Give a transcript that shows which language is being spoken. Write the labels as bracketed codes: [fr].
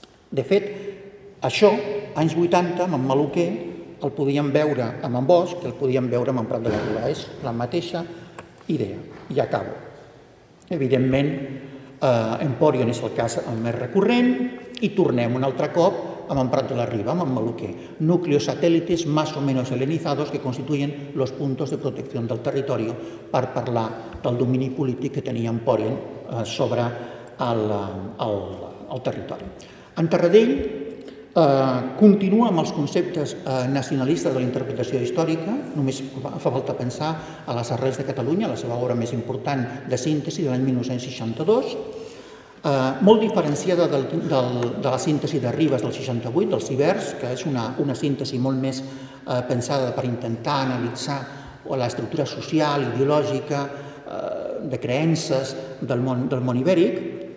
[ca] De fet, això, anys 80, amb en Maluquer, el podíem veure amb en Bosch, que el podíem veure amb en Prat de la Riba. És la mateixa idea. I acabo. Evidentment, Empòrion és el cas el més recurrent i tornem un altre cop amb en Prat de la Riba, amb en Maluquer. [es] Núcleos satélites más o menos helenizados que constituyen los puntos de protección del territorio, [ca] per parlar del domini polític que tenia Empòrion sobre el territori. En Tarradell continua amb els conceptes nacionalistes de la interpretació històrica, només fa falta pensar a Les arrels de Catalunya, la seva obra més important de síntesi de l'any 1962, molt diferenciada de la síntesi de Ribes del 68, dels Ibers, que és una síntesi molt més pensada per intentar analitzar l'estructura social, ideològica, de creences del món ibèric.